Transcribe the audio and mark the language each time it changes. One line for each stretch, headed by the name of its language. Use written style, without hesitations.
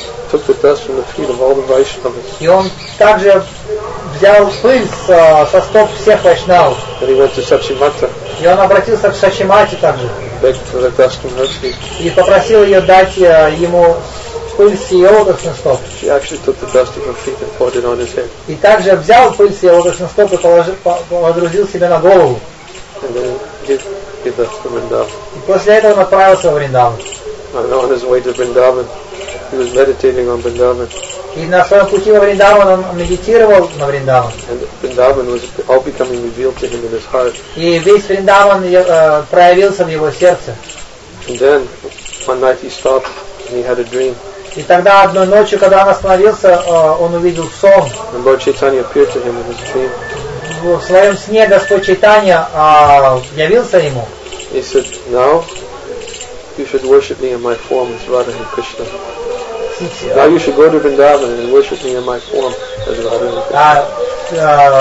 English: Took the dust from the feet of all the Vaishnavas.
Russian: И он также взял пыль со стоп всех Вайшнав.
English: And he went to Сачимата.
Russian: И он обратился к Сачимате также.
English: Begged for the dust from her feet.
Russian: И попросил ее дать ему пыль с ее лотосных стоп.
English: He actually took the dust from her feet and poured it on his head.
Russian: И также взял пыль с ее лотосных стоп и водрузил себе на голову.
English: And then he left to Vrindavan.
Russian: И после этого направился в Вриндаван.
English: And on his way to Vrindavan, he was meditating on Vrindavan.
Russian: И на своем пути во Вриндаван он медитировал на Вриндаван.
English: And Vrindavan was all becoming revealed to him in his heart.
Russian: И весь Вриндаван проявился в его сердце.
English: And then one night he stopped and he had a dream.
Russian: И тогда одной ночью, когда он остановился, он увидел сон.
English: And Lord Chaitanya appeared to him in his dream.
Russian: В своем сне Господь Чайтанья явился ему.
English: He said, "Now you should worship me in my form as Radha and Krishna. Now you should go to Vrindavan and worship me in my form as Radha and Krishna."